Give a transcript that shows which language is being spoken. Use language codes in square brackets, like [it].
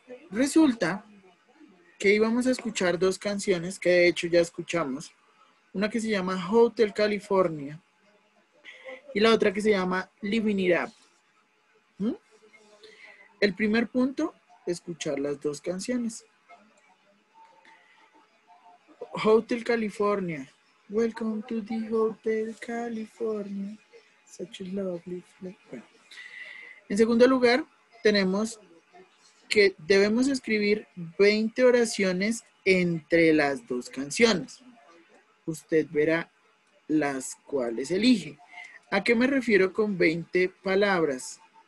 [es] resulta que íbamos a escuchar dos canciones que de hecho ya escuchamos. Una que se llama Hotel California. Y la otra que se llama Living It Up. El primer punto, escuchar las dos canciones. Hotel California. [en] Welcome to the Hotel California. Such a lovely place. [es] Bueno. En segundo lugar, tenemos que debemos escribir 20 oraciones entre las dos canciones. Usted verá las cuales elige. ¿A qué me refiero con 20 palabras?